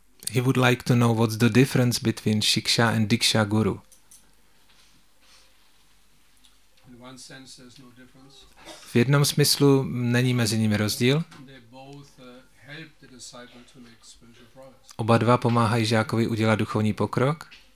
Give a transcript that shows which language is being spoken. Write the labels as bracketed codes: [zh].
[en] He would like to know what's the difference between Shiksha and Diksha Guru. In one sense, there's no difference. [cs] V jednom smyslu není mezi nimi rozdíl. [en] They both, help the disciple to make spiritual progress. [cs] Oba dva pomáhají žákovi udělat duchovní pokrok.